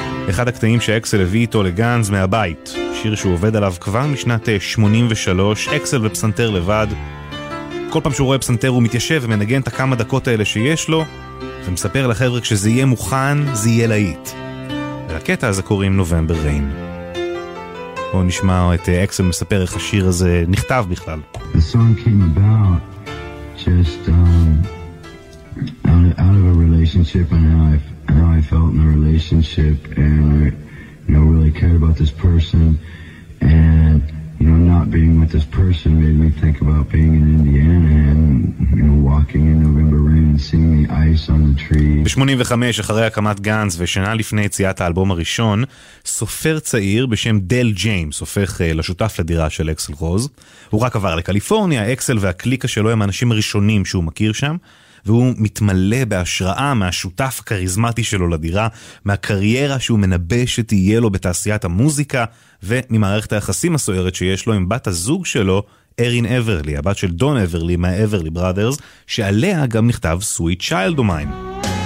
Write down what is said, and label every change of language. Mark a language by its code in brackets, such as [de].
[he] אחד הקטעים שאקסל הביא איתו לגאנז מהבית. שיר שהוא עובד עליו כבר משנת 83, אקסל ופסנתר לבד. כל פעם שהוא רואה פסנתר הוא מתיישב ומנגן את הכמה דקות האלה שיש לו, ומספר לחבר'ה כשזה יהיה מוכן, זה יהיה להיט. והקטע הזה קוראים נובמבר ריין. בואו נשמע את אקסל מספר איך השיר הזה נכתב בכלל. [en] The song came about just... Out of a relationship, and how I felt in the relationship, and I, you know, really cared about this person, and, you know, not being with this person made me think about being in Indiana and, you know, walking in November rain and seeing the ice on the tree. [he] ב-85, אחרי הקמת גאנז ושנה לפני יציאת האלבום הראשון, סופר צעיר בשם דל ג'יימס הופך לשותף לדירה של אקסל רוז. הוא רק עבר לקליפורניה, אקסל והקליקה שלו הם האנשים הראשונים שהוא מכיר שם, והוא מתמלא בהשראה מהשותף הקריזמטי שלו לדירה, מהקריירה שהוא מנבא שתהיה לו בתעשיית המוזיקה, וממערכת היחסים הסוערת שיש לו עם בת הזוג שלו, ארין אברלי, הבת של דון אברלי מהאברלי ברדרס, שעליה גם נכתב Sweet Child of Mine.